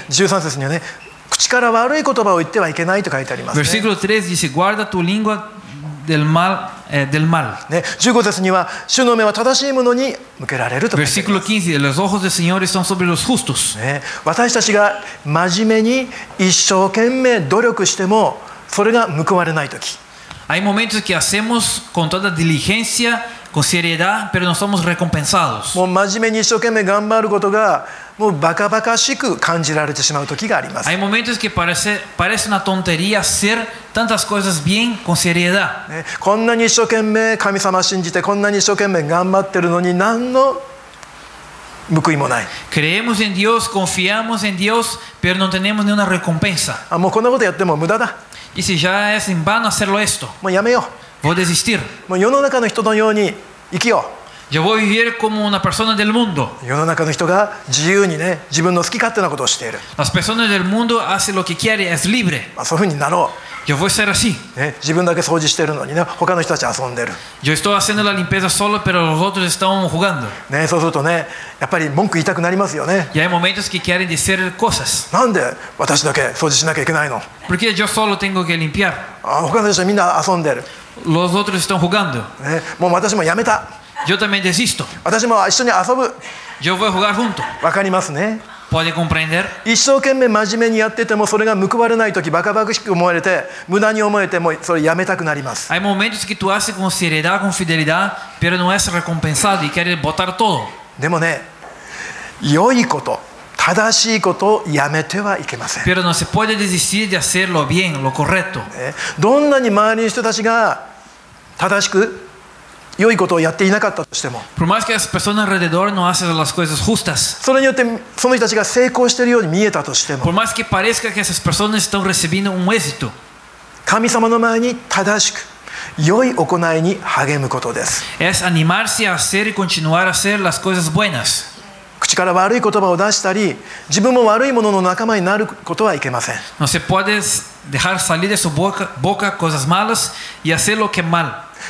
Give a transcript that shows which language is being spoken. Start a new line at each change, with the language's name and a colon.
Japanese: 13節にはね口から悪い言葉を言ってはいけないと書いてあります、ね、
Spanish: versículo 13 dice guarda tu lingua del malDel mal.
Japanese: 15節には主の目は正しいものに向けられると
Spanish: versículo 15 los ojos del Señor están sobre los justos
Japanese: 私たちが真面目に一生懸命努力してもそれが報われない時
Spanish: hay momentos que hacemos con toda diligencia con seriedad pero no somos recompensados
Japanese: もう真面目に一生懸命頑張ることがもうバカバカしく感じられてしまう時があります
Spanish: Hay momentos que parece una tontería hacer tantas cosas bien con seriedad、
Japanese: ね、こんなに一生懸命神様信じてこんなに一生懸命頑張ってるのに何の報いもない
Spanish: Creemos en Dios, confiamos en Dios pero no tenemos ni una recompensa
Japanese: あもうこんなことやっても無駄だ
Spanish: Y si ya es en vano hacerlo esto
Japanese: もうやめよう
Spanish: Voy a desistir
Japanese: もう世の中の人のように生きよう
Spanish: Yo voy a vivir como una persona del mundo.
Japanese: 世の中の人が自由にね、自分の好き勝手なことをしている。
Spanish: Las personas del mundo hacen lo que quieren, es libre.
Japanese: まあ、そういうふうになろう。
Spanish: Yo voy a ser así.
Japanese: ね、自分だけ掃除してるのにね、他の人たち遊んでる。
Spanish: Yo estoy haciendo la limpieza solo, pero los otros están jugando.
Japanese: ね、そうするとね、やっぱり文句言いたくなりますよね。
Spanish: Y hay momentos que quieren decir cosas.
Japanese: なんで私だけ掃除しなきゃいけないの？
Spanish: Porque yo solo tengo que limpiar.
Japanese: あ、他の人たちみんな遊んでる。
Spanish: Los otros están jugando.
Japanese: ね、もう私もやめた。
Spanish: Yo también desisto.
Japanese: 私も一緒に遊ぶ。
Spanish: Yo voy a jugar junto.
Japanese: わかりますね。
Spanish: Puede comprender?
Japanese: 一生懸命真面目にやっててもそれが報われないときバカバカしく思われて無駄に思えてもそれやめたくなります。
Spanish: Hay momentos que tú haces con seriedad, con fidelidad, pero no es recompensado y quieres botar todo.
Japanese: でもね、良いこと、正しいことをやめてはいけません。
Spanish: Pero no se puede desistir de hacerlo bien, lo correcto.
Japanese: どんなに周りの人たちが正しく良いことをやっていなかったとしても、
Spanish: Por más que las personas alrededor no hacen las cosas justas,
Japanese: それによってその人たちが成功しているように見えたとしても、
Spanish: Por más que parezca que esas personas están recibiendo un éxito,
Japanese: 神様の前に正しく良い行いに励むことです。
Spanish: Es animarse a hacer y continuar a hacer las cosas buenas.
Japanese: 口から悪い言葉を出したり、自分も悪いものの仲間になることはいけません。
Spanish: No se puede dejar salir de su boca cosas malas y hacer lo que mal.